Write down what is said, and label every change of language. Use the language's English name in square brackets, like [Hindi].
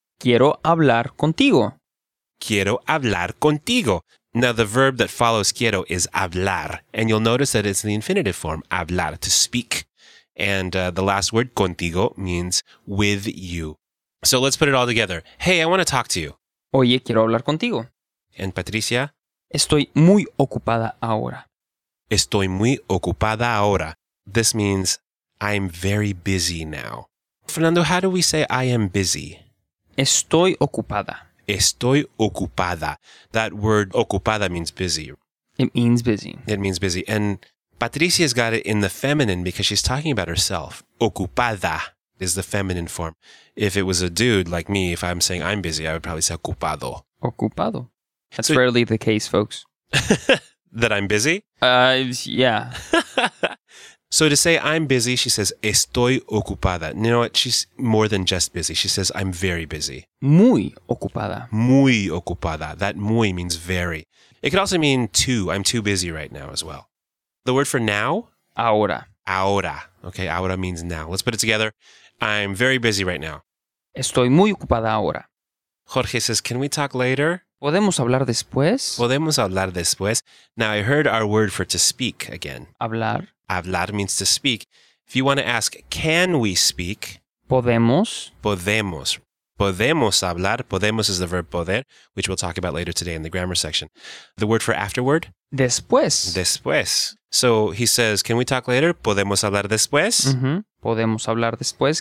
[Spanish] Quiero hablar contigo. Quiero hablar contigo. [English] Now, the verb that follows quiero is hablar, and you'll notice that it's in the infinitive form, hablar, to speak. And the last word, contigo, means with you. So let's put it all together. Hey, I want to talk to you. [Spanish] Oye, quiero hablar contigo. [English] And Patricia? [Spanish] Estoy muy ocupada ahora. Estoy muy ocupada ahora. [English] This means I'm very busy now. Fernando, how do we say I am busy? [Spanish] Estoy ocupada. [English] Estoy ocupada. That word ocupada means busy. It means busy. It means busy. And Patricia's got it in the feminine because she's talking about herself. Ocupada is the feminine form. If it was a dude like me, if I'm saying I'm busy, I would probably say ocupado. [Spanish] Ocupado. [English] That's so, rarely the case, folks. That I'm busy? Yeah. So to say I'm busy, she says estoy ocupada. You know what? She's more than just busy. She says I'm very busy. [Spanish] Muy ocupada. [English] Muy ocupada. That muy means very. It could also mean too. I'm too busy right now as well. The word for now? [Spanish] Ahora. [English] Ahora. Okay, ahora means now. Let's put it together. I'm very busy right now. [Spanish] Estoy muy ocupada ahora. [English] Jorge says, can we talk later? [Spanish] ¿Podemos hablar después? ¿Podemos hablar después? [English] Now, I heard our word for to speak again. [Spanish] Hablar. [English] Hablar means to speak. If you want to ask, can we speak? [Spanish] ¿Podemos? Podemos. Podemos hablar. [English] Podemos is the verb poder, which we'll talk about later today in the grammar section. The word for afterward? [Spanish] Después. Después. [English] So he says, can we talk later? [Spanish] ¿Podemos hablar después? Mm-hmm. ¿Podemos hablar después?